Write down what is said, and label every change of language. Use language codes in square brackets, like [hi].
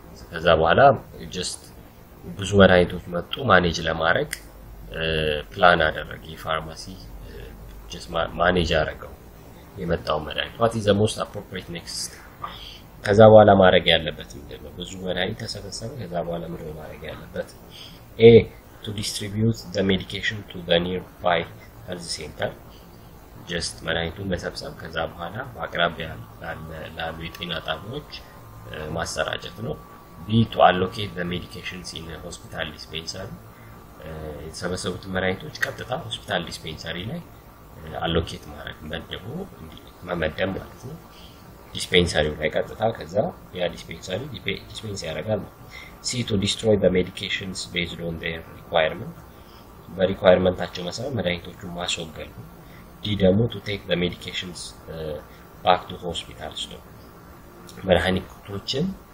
[am] ከዛ በኋላ just ብዙ መድኃኒቶች መጡ ማኔጅ ለማድረግ ፕላን አደረገ የፋርማሲ just ማኔጅ አደረገው የመጣው መድኃኒት [en] what is the most appropriate next. [am] ከዛ በኋላ ማድረግ ያለበት ምንድን ነው? ብዙ መድኃኒት ተሰበሰበ። ከዛ በኋላ ምንድን ነው ማድረግ ያለበት? [en] A to distribute the medication to the nearby health center. [am] ጀስት መድኃኒቱን መሰብሰብ ከዛ በኋላ በአቅራቢያ ላሉ የጤና ጣቢያዎች ማሰራጨት ነው። [en] ቢ ቱ አሎኬት ዘ ሜዲኬሽንስ ኢን ሆስፒታል ዲስፔንሰሪ፣ [am] የተሰበሰቡት መድኃኒቶች ቀጥታ ሆስፒታል ዲስፔንሰሪ ላይ አሎኬት ማድረግ መደቡ መመደብ ማለት ነው። ዲስፔንሰሪው ላይ ቀጥታ ከዛ ያ ዲስፔንሰሪ ዲስፔንስ ያደርጋል ነው። [en] ሲ ቱ ዲስትሮይ ዘ ሜዲኬሽንስ ቤዝድ ኦን ዴር ሪኳየርመንት፣ [am] በሪኳየርመንታቸው መሰረት መድኃኒቶቹን ማስወገድ ነው። ዲ ደግሞ [en] ቱ ቴክ ዘ ሜዲኬሽንስ ባክ ቱ ሆስፒታል ስቶር፣ [am] መድኃኒቶችን